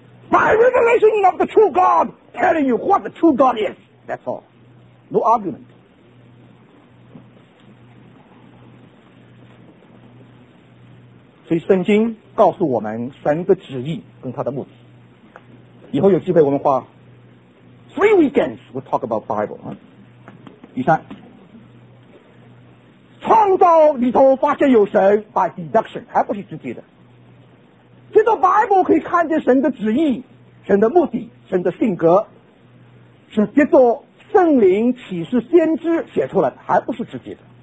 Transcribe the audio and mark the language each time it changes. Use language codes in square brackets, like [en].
[en] By revelation of the true God telling you what the true God is, that's all, no argument。 [zh] 所以圣经告诉我们神的旨意跟他的目的。以后有机会我们花 [en] 3 weekends we'll talk about Bible。 [zh] 第三，创造里头发现有神 [en] by deduction [zh] 还不是直接的，这个 Bible 可以看见神的旨意、神的目的、神的性格，是接受圣灵启示先知写出来的，还不是直接的。